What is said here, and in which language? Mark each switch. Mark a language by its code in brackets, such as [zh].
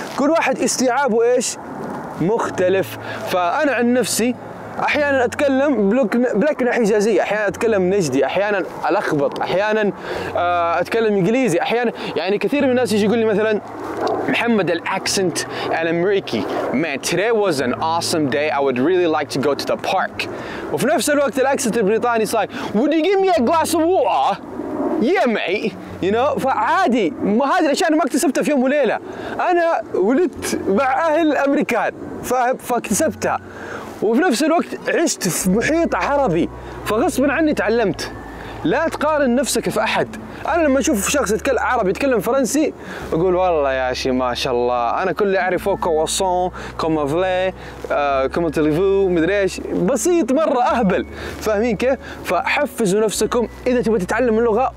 [ar] كل واحد استيعابه إيش مختلف. فأنا عن نفسي أحياناً أتكلم بلكنة حجازية، أحياناً أتكلم نجدي، أحياناً ألخبط، أحياناً أتكلم إنجليزي، أحياناً يعني كثير من الناس يجي يقول لي مثلاً محمد الأكسنت الأمريكي، [en] man today was an awesome day I would really like to go to the park. [ar] وفي نفس الوقت الأكسنت البريطاني صاي [en] would you give me a glass of water yeah mate you know. [ar] فعادي هذه الأشياء أنا ما اكتسبتها في يوم وليلة، أنا ولدت مع أهل أمريكان فاكتسبتها، وفي نفس الوقت عشت في محيط عربي فغصبا عني تعلمت. لا تقارن نفسك في أحد. أنا لما أشوف شخص يتكلم عربي يتكلم فرنسي أقول والله يا شي ما شاء الله، أنا كل اللي أعرفه [fr] كواسون كومافلي كومتليفو [ar] مدري إيش، بسيط مرة أهبل، فاهمين كيف؟ فحفزوا نفسكم إذا تبغى تتعلم اللغة.